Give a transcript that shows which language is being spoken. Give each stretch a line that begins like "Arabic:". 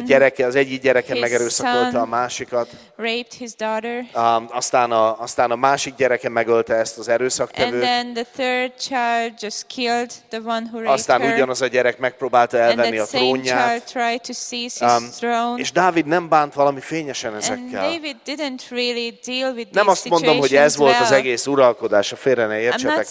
Hungarian: a gyereke, az egyik gyereke megerőszakolta a másikat.
English: Raped his daughter.
Hungarian: Aztán a másik gyereke megölte ezt az erőszaktevőt.
English: And then the third child just killed the one who raped
Hungarian: aztán
English: her.
Hungarian: Ugyanaz a gyerek megpróbálta elvenni
English: and
Hungarian: a trónját.
English: Child tried to seize his throne.
Hungarian: És Dávid nem bánt valami fényesen ezekkel.
English: And David didn't really deal with
Hungarian: nem azt mondom, hogy ez volt az egész uralkodás, a félre ne értsetek,